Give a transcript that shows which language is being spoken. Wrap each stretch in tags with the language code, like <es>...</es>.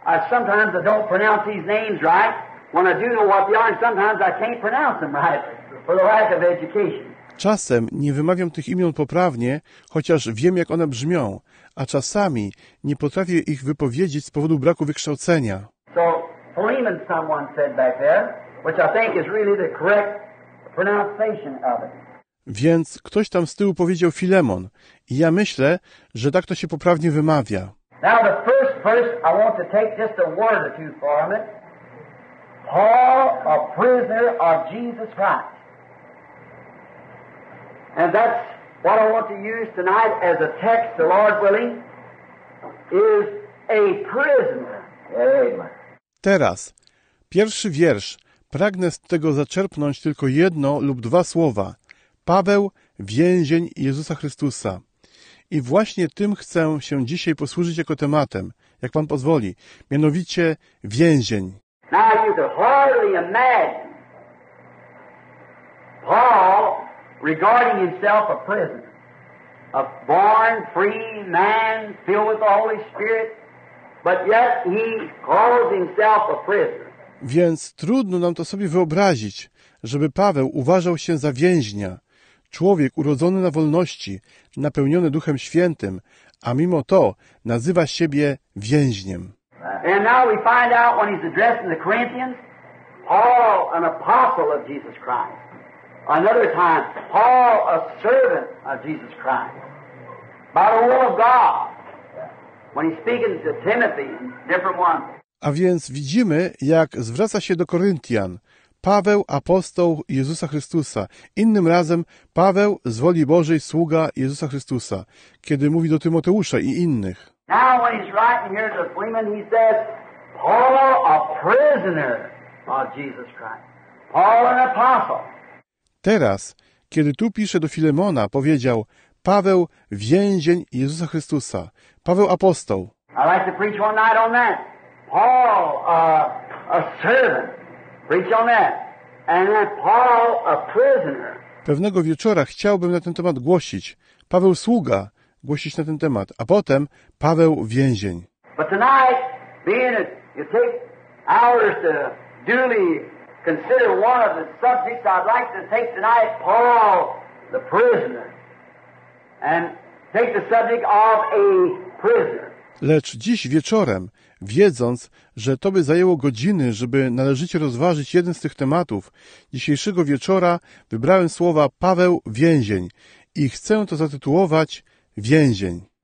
<en>Sometimes I don't pronounce these names right. When I do know what they are, sometimes I can't pronounce them right for the lack of education.</en> <pl>Czasem nie wymawiam tych imion poprawnie, chociaż wiem, jak one brzmią, a czasami nie potrafię ich wypowiedzieć z powodu braku wykształcenia.</pl> <en>So Philemon someone said back there, which I think is really the correct pronunciation of it.</en> <pl>Więc ktoś tam z tyłu powiedział Filemon i ja myślę, że tak to się poprawnie wymawia.</pl> <en>Now the first verse I want to take just a word or two from it. Paul, a prisoner of Jesus Christ. And that's what I want to use tonight as a text, the Lord willing, is a prisoner. Amen.</en> <pl>Teraz, pierwszy wiersz. Pragnę z tego zaczerpnąć tylko jedno lub dwa słowa. Paweł, więzień Jezusa Chrystusa. I właśnie tym chcę się dzisiaj posłużyć jako tematem, jak Pan pozwoli, mianowicie więzień.</pl> <en>Now you can hardly imagine Paul regarding himself a prisoner, a born free man filled with the Holy Spirit, but yet he calls himself a prisoner.</en> <pl>Więc trudno nam to sobie wyobrazić, żeby Paweł uważał się za więźnia. Człowiek urodzony na wolności, napełniony Duchem Świętym, a mimo to nazywa siebie więźniem.</pl> <en>And now we find out when he's addressing the Corinthians, Paul, an apostle of Jesus Christ. Another time, Paul, a servant of Jesus Christ. By the will of God. When he's speaking to Timothy, different one.</en> <pl>A więc widzimy, jak zwraca się do Koryntian. Paweł, apostoł Jezusa Chrystusa. Innym razem Paweł z woli Bożej, sługa Jezusa Chrystusa, kiedy mówi do Tymoteusza i innych.</pl> <en>Now when he's writing here to Philemon, he says, Paul, a prisoner of Jesus Christ. Paul, an apostle.</en> <pl>Teraz, kiedy tu pisze do Filemona, powiedział, Paweł, więzień Jezusa Chrystusa. Paweł, apostoł.</pl> <en>I'd like to preach one night on that. Paul, a servant. Preach on that. And then Paul, a prisoner.</en> <pl>Pewnego wieczora chciałbym na ten temat głosić. Paweł sługa głosić na ten temat, a potem Paweł więzień.</pl> <en>But tonight, being it, you take hours to duly consider one of the subjects, I'd like to take tonight Paul, the prisoner. And take the subject of a prisoner.</en> <pl>Lecz dziś wieczorem, wiedząc, że to by zajęło godziny, żeby należycie rozważyć jeden z tych tematów, dzisiejszego wieczora wybrałem słowa Paweł więzień i chcę to zatytułować więzień.</pl>